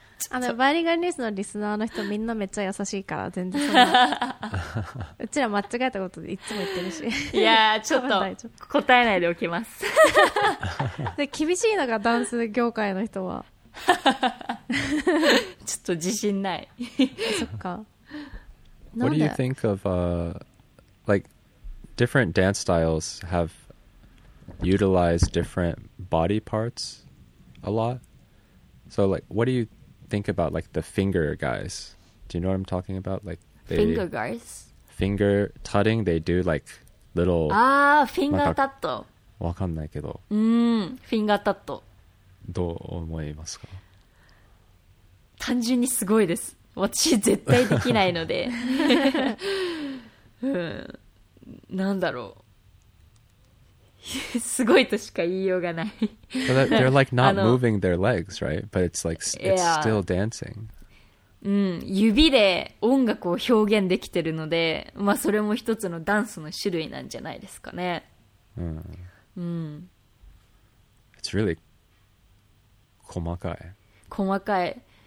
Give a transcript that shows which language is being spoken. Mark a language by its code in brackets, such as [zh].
[ja] あのバイリンガルニュースのリスナーの人みんなめっちゃ優しいから全然そんうちら間違えたことでいつも言ってるし、いやちょっと答えないでおきますで厳しいのがダンス業界の人はちょっと自信ないそっか。 [en] What do you think of like different dance styles have utilized different body parts a lot? So like what do youthink about like the finger guys, do you know what I'm talking about? Like they, finger guys, finger tutting, they do like little finger tut. [ja] わかんないけど、 [en] finger tut [ja] どう思いますか？単純にすごいです。私絶対できないのでなんだろう、すごいとしか言いようがない。 [en] So that, they're like not moving their legs, right? But it's like, it's still dancing. [ja] うん、指で音楽を表現できてるので、まあそれも一つのダンスの種類なんじゃないですかね。うん。 [en] It's really [ja] 細かい。細かい。